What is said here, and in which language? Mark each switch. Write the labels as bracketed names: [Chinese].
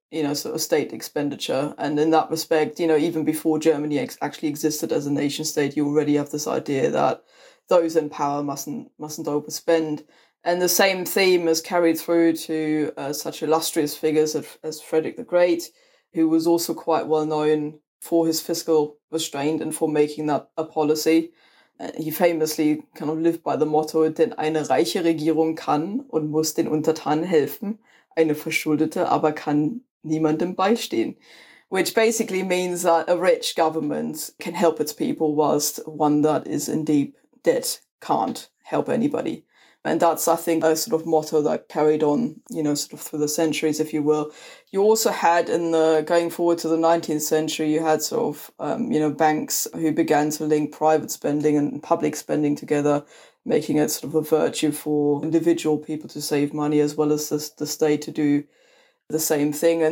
[English] you know, sort of state expenditure. And in that respect, you know, even before Germany actually existed as a nation state, you already have this idea that those in power mustn't overspend. And the same theme is carried through to such illustrious figures as Frederick the Great, who was also quite well known for his fiscal restraint and for making that a policy. He famously kind of lived by the motto, [German] denn eine reiche Regierung kann und muss den Untertanen helfen, eine verschuldete aber kann niemandem beistehen. [English] Which basically means that a rich government can help its people, whilst one that is in deep debt can't help anybody. And that's, I think, a sort of motto that carried on, you know, sort of through the centuries, if you will. You also had in the, going forward to the 19th century, you had sort of, you know, banks who began to link private spending and public spending together, making it sort of a virtue for individual people to save money as well as the state to do the same thing.